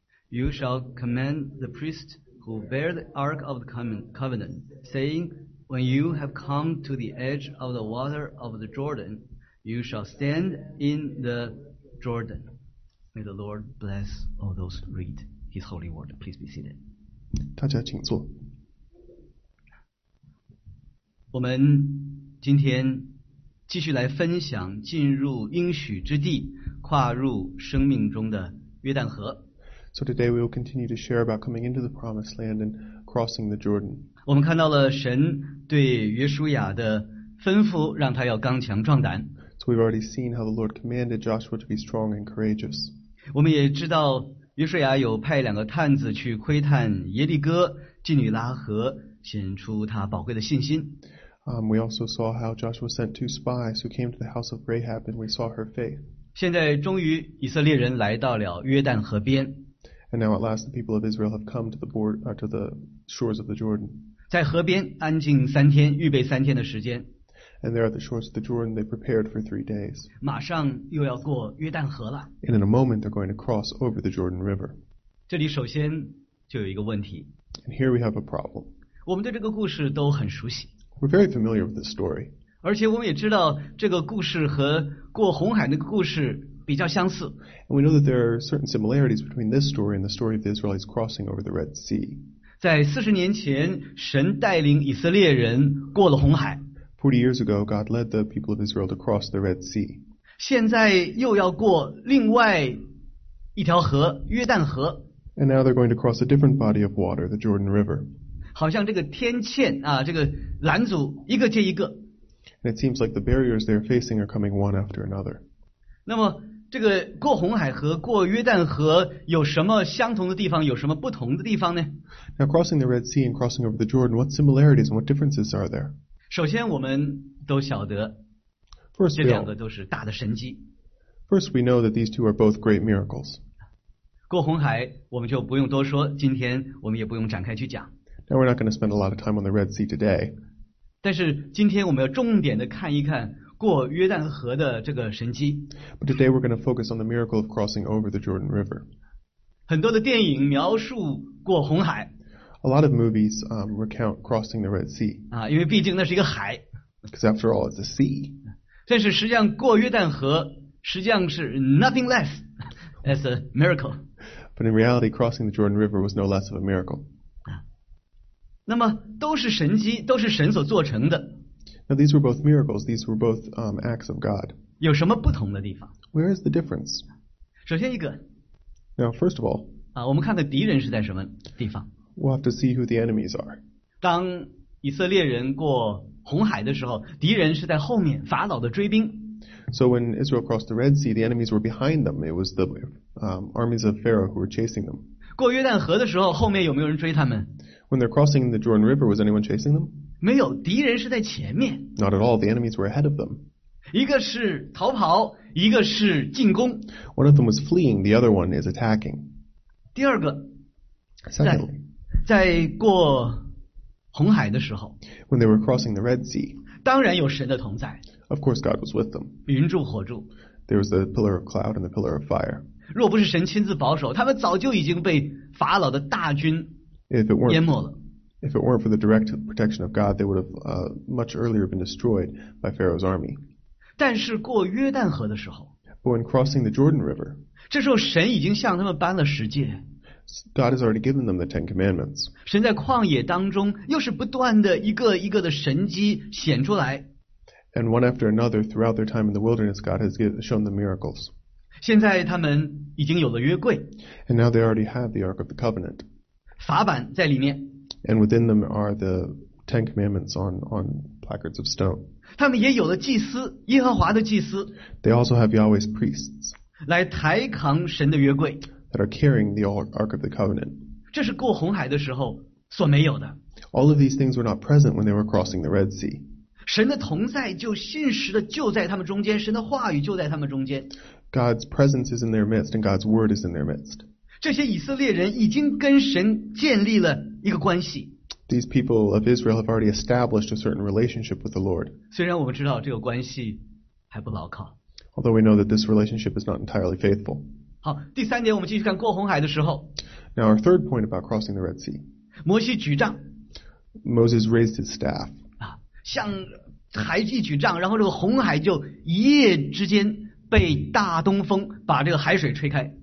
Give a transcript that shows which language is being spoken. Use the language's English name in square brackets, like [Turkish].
[English] You shall command the priest who bear the Ark of the Covenant, saying, When you have come to the edge of the water of the Jordan, you shall stand in the Jordan. May the Lord bless all those who read his holy word. Please be seated. [Chinese] 大家请坐。我们今天继续来分享进入应许之地，跨入生命中的约旦河。 [English] So today we will continue to share about coming into the promised land and crossing the Jordan. [Chinese] 我们看到了神对约书亚的吩咐，让他要刚强壮胆。 [English] So we've already seen how the Lord commanded Joshua to be strong and courageous. [Chinese] 我们也知道约书亚有派两个探子去窥探耶利哥、基女拉河。显出他宝贵的信心。 [English] We also saw how Joshua sent two spies who came to the house of Rahab, and we saw her faith. [Chinese] 现在终于以色列人来到了约旦河边。 [English] And now at last the people of Israel have come to the border, to the shores of the Jordan. [Chinese] 在河边安静三天，预备三天的时间。 [English] And there at the shores of the Jordan, they prepared for 3 days. [Chinese] 马上又要过约旦河了。 [English] And in a moment, they're going to cross over the Jordan River. [Chinese] 这里首先就有一个问题。 [English] And here we have a problem. [Chinese] 我们对这个故事都很熟悉。 [English] We're very familiar with this story. [Chinese] 而且我们也知道这个故事和过红海那个故事比较相似。 [English] And we know that there are certain similarities between this story and the story of the Israelites crossing over the Red Sea. [Chinese] 在40年前，神带领以色列人过了红海。 [English] 40 years ago, God led the people of Israel to cross the Red Sea. [Chinese] 现在又要过另外一条河，约旦河。 [English] And now they're going to cross a different body of water, the Jordan River. [Chinese] 好像这个天堑啊，这个拦阻一个接一个。 [English] And it seems like the barriers they're facing are coming one after another. [Chinese] 那么这个过红海和过约旦河有什么相同的地方，有什么不同的地方呢？ [English] Now crossing the Red Sea and crossing over the Jordan, what similarities and what differences are there? [Chinese] 首先我们都晓得 [English] First, [Chinese] 这两个都是大的神迹。 [English] First, we know that these two are both great miracles. [Chinese] 过红海我们就不用多说，今天我们也不用展开去讲。 [English] Now we're not going to spend a lot of time on the Red Sea today. [Chinese] 但是今天我们要重点的看一看过约旦河的这个神迹。 [English] But today we're going to focus on the miracle of crossing over the Jordan River. [Chinese] 很多的电影描述过红海。 [English] A lot of movies, recount crossing the Red Sea. [Chinese] 啊，因为毕竟那是一个海。 [English] Because after all, it's a sea. [Chinese] 但是实际上过约旦河实际上是 [English] nothing less as a miracle. But in reality, crossing the Jordan River was no less of a miracle. [Chinese] 那么都是神迹，都是神所做成的。 [English] Now these were both miracles. These were both acts of God. [Chinese] 有什么不同的地方？ [English] Where is the difference? [Chinese] 首先一个。 [English] Now first of all. [Chinese] 我们看的敌人是在什么地方。 [English] We'll have to see who the enemies are. [Chinese] 当以色列人过红海的时候，敌人是在后面，法老的追兵。 [English] So when Israel crossed the Red Sea, the enemies were behind them. It was the armies of Pharaoh who were chasing them. [Chinese] 过约旦河的时候，后面有没有人追他们？ [English] When they're crossing the Jordan River, was anyone chasing them? [Chinese] 没有，敌人是在前面。 [English] Not at all. The enemies were ahead of them. [Chinese] 一个是逃跑，一个是进攻。 [English] One of them was fleeing. The other one is attacking. [Chinese] 第二个， [English] Secondly, [Chinese] 在过红海的时候， [English] When they were crossing the Red Sea, [Chinese] 当然有神的同在。 [English] Of course God was with them. [Chinese] 云柱火柱。 [English] There was the pillar of cloud and the pillar of fire. [Chinese] 若不是神亲自保守，他们早就已经被法老的大军淹没了。 [English] If it weren't for the direct protection of God, they would have much earlier been destroyed by Pharaoh's army. [Chinese] 但是过约旦河的时候， [English] But when crossing the Jordan River, [Chinese] 这时候神已经向他们颁了十诫。 [English] God has already given them the Ten Commandments. [Chinese] 神在旷野当中又是不断的一个一个的神迹显出来。 [English] And one after another, throughout their time in the wilderness, God has shown them miracles. [Chinese] 现在他们已经有了约柜。 [English] And now they already have the Ark of the Covenant. [Chinese] 法版在里面。 [English] And within them are the Ten Commandments on placards of stone. [Chinese] 他们也有了祭司，耶和华的祭司。 [English] They also have Yahweh's priests. [Chinese] 来抬扛神的约柜。 [English] That are carrying the Ark of the Covenant. [Chinese] 这是过红海的时候所没有的。 [English] All of these things were not present when they were crossing the Red Sea. [Chinese] 神的同在就信实的就在他们中间，神的话语就在他们中间。 [English] God's presence is in their midst, and God's word is in their midst. [Chinese] 这些以色列人已经跟神建立了一个关系。 [English] These people of Israel have already established a certain relationship with the Lord. [Chinese] 虽然我们知道这个关系还不牢靠。 [English] Although we know that this relationship is not entirely faithful. [Chinese] 好，第三点我们继续看过红海的时候。 [English] Now our third point about crossing the Red Sea. [Chinese] 摩西举杖。 [English] Moses raised his staff. [Chinese] 向海一举杖，然后这个红海就一夜之间被大东风把这个海水吹开。